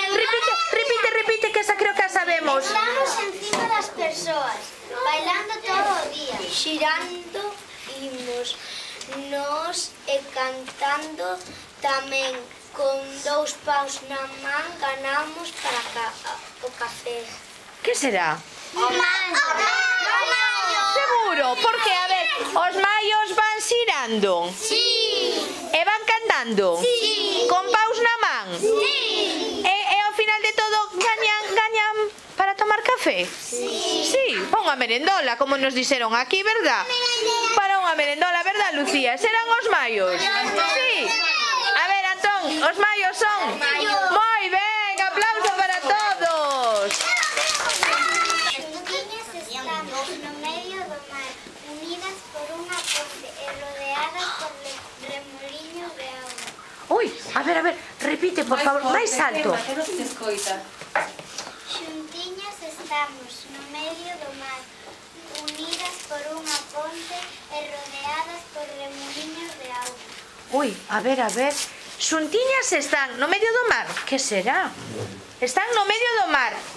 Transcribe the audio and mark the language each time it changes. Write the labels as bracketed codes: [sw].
[gl] Repite, repite, repite, que esa creo que a sabemos. Estamos encima das persoas, bailando todo o día, xirando himnos, nos e cantando tamén. Con dous paus na man ganamos para o café. Que será? O maio. O maio. Seguro, porque a ver, os maios van xirando. Sí. E van cantando. Sí. Con paus na man. Sí. E ao final de todo gañan para tomar café. Sí. Sí, unha merendola, como nos dixeron aquí, [es] ¿verdad? [gl] Para unha merendola, ¿verdad? Lucía? ¿Serán os maios? Sí. A ver, Antón, os maios son. [es] Muy bien, aplauso para todos. Las montañas están en medio del mar, unidas por una ponte, rodeadas por remolinos de agua. Uy, a ver, repite, por favor, más alto. [gl] Xuntiñas estamos no medio do mar, unidas por unha ponte e rodeadas por remolinos de auga. Ui, a ver. Xuntiñas están no medio do mar. Que será? Están no medio do mar.